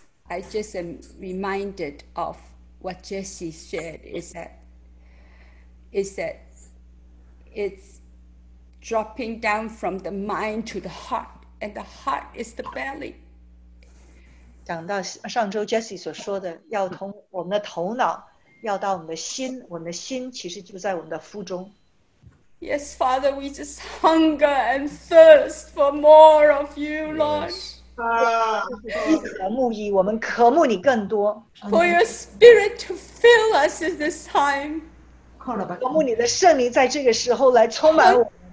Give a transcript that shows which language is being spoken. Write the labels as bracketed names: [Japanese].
[English] I just am reminded of what Jesse shared, is that it's dropping down from the mind to the heart, and the heart is the belly. [Chinese] 讲到上周 Jessie 所说的，要从我们的头脑，要到我们的心，我们的心其实就在我们的腹中。 [English] Yes, Father, we just hunger and thirst for more of you, Lord. For your spirit to fill us at this time. [Chinese] 渴慕你的圣灵在这个时候来充满我们。